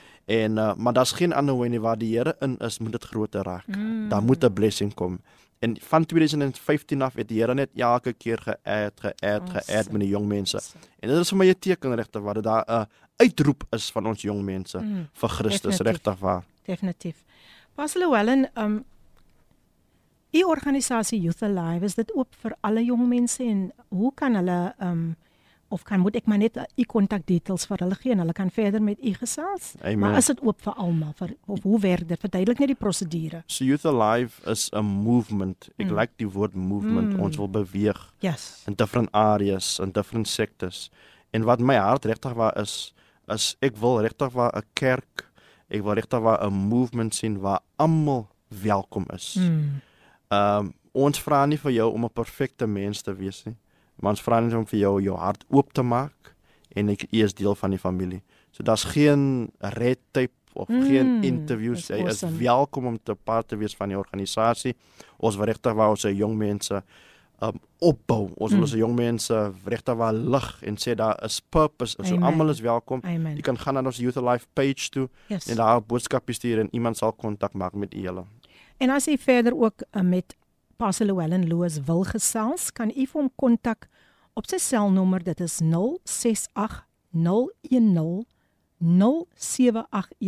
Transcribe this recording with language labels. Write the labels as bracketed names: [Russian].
[Afrikaans] En, maar daar is geen ander way nie, waar die Here in is, moet het groter raak. Mm. Daar moet 'n blessing kom. En van 2015 af het die Here net elke keer geëd met die jong mense. En dit is vir my 'n teken, regtig waar, dat daar 'n uitroep is van ons jong mense vir Christus, regtig waar. Definitief. Pastor Llewellyn, die organisasie Youth Alive, is dit oop vir alle jong mense? En hoe kan hulle... moet ek maar net u kontakdetails vir hulle gee en hulle kan verder met u gesels? Amen. Maar is dit oop vir almal? Of hoe werk dit? Verduidelik net die prosedure. [English] So Youth Alive is a movement. [Afrikaans] Ek like die woord movement. Mm. Ons wil beweeg. [English] Yes. In different areas, in different sectors. [Afrikaans] En wat my hart regtig waar is, is ek wil regtig waar 'n kerk, ek wil regtig waar 'n movement sien waar almal welkom is. Mm. Ons vra nie vir jou om 'n perfekte mens te wees nie. Maar ons vra net om vir jou hart oop te maak en ek is deel van die familie. So daar's geen [English] red tape [Afrikaans] of geen interviews. Jy is welkom om te part te wees van die organisasie. Ons wil regtig waar ons jong mense opbou. Ons wil ons jong mense regtig waar lig en sê daar is purpose. So almal is welkom. Amen. Jy kan gaan na ons Youth Alive page toe, [English] yes, [Afrikaans] en daar boodskappe stuur en iemand sal kontak maak met julle. En as jy verder ook met Pastor Llewellyn Loos wil gesels, kan u vir hom kontak op sy selnommer, dit is 0680100781.